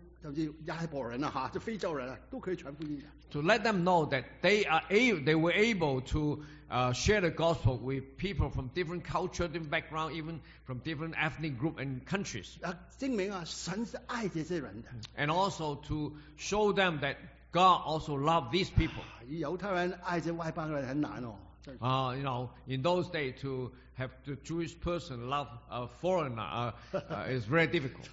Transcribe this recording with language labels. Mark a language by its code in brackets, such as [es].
[zh] 给他们知道，原来他们可以对各个族、不同背景，甚至亚伯人、非洲人，都可以传福音的。 [en] To let them know that they were able to share the gospel with people from different culture, different background, even from different ethnic group and countries. [zh] 证明神是爱这些人的。 [en] And also to show them that God also loved these people. [zh] 犹太人爱这外邦人很难哦。 [en] You know, in those days, to have the Jewish person love a foreigner is very difficult.